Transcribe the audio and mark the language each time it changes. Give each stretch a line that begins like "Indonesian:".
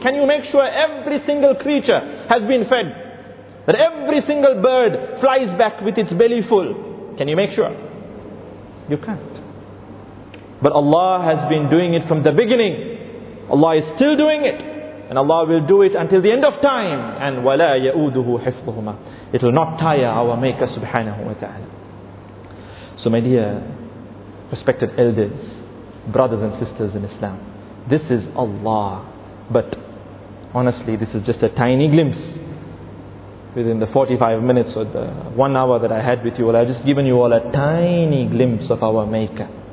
English: Can you make sure every single creature has been fed? That every single bird flies back with its belly full. Can you make sure? You can't. But Allah has been doing it from the beginning. Allah is still doing it. And Allah will do it until the end of time.
Arabic: And وَلَا يَؤُودُهُ حِفْظُهُمَا.
English: It will not tire our maker subhanahu wa ta'ala. So my dear respected elders, brothers and sisters in Islam, this is Allah. But honestly, this is just a tiny glimpse. Within the 45 minutes or the 1 hour that I had with you all, I've just given you all a tiny glimpse of our maker.